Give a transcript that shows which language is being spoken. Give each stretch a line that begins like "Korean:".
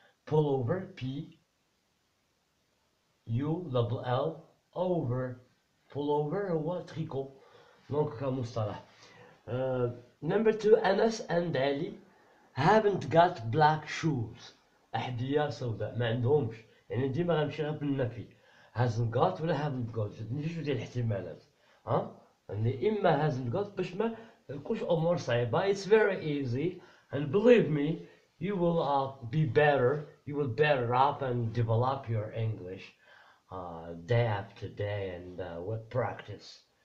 English: Pullover, P U double L over. Pullover or
French: tricot. Donc, comme ça.
English: Number two, Anas and Ali haven't got black shoes.
Arabic: أحذية سوداء. ما عندهمش. يعني ديما غنمشي غير بالنفي.
English: Hasn't got
Arabic: ولا
English: haven't got.
Arabic: نشوف ديال الاحتمالات. يعني إما
English: hasn't got
Arabic: باش ما نكونش أمور صعيبة.
English: It's very easy. And believe me, you will be better. You will better up and develop your English day after day and with practice.